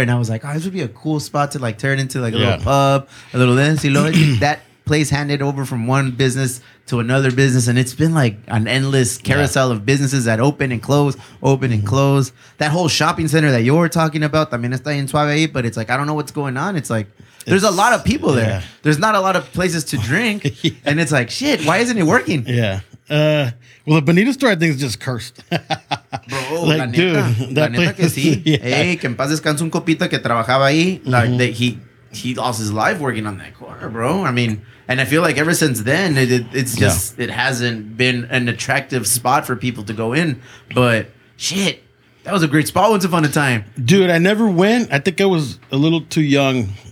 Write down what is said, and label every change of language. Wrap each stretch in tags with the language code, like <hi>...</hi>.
<en>And I was like, oh, this would be a cool spot to like turn into like a little pub, a little this, you know, that place handed over from one business to another business, and it's been like an endless carousel of businesses that open and close and close. That whole shopping center that you're talking about,</en> <es>también está en Suave,</es> <en>but it's like, I don't know what's going on. It's like, there's a lot of people there. There's not a lot of places to drink, and it's like, shit, why isn't it working? Yeah. Well, the Bonita store, I think, is just cursed.</en> <es>Bro, like, que en paz descanse un copito que trabajaba ahí.</es> <en>He lost his life working on that corner, bro. I mean, and I feel like ever since then, it hasn't been an attractive spot for people to go in. But shit, that was a great spot once upon a time. Dude, I never went. I think I was a little too young.</en>